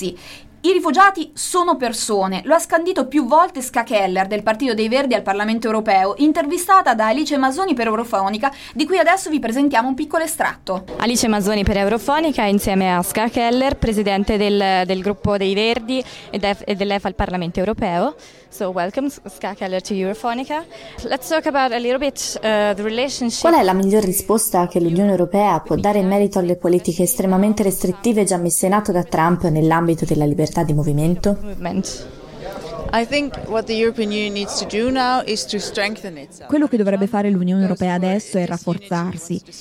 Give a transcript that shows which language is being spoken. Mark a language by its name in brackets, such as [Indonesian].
[Italian] I rifugiati sono persone, lo ha scandito più volte Ska Keller del Partito dei Verdi al Parlamento Europeo, intervistata da Alice Masoni per Eurofonica, di cui adesso vi presentiamo un piccolo estratto. Alice Masoni per Eurofonica insieme a Ska Keller, presidente del gruppo dei Verdi e dell'EFA al Parlamento Europeo. [English] So welcome Ska Keller to Eurofonica. Let's talk about a little bit the relationship. [Italian] Qual è la miglior risposta che l'Unione Europea può dare in merito alle politiche estremamente restrittive già messe in atto da Trump nell'ambito della libertà di movimento? Quello che dovrebbe fare l'Unione Europea adesso è rafforzarsi.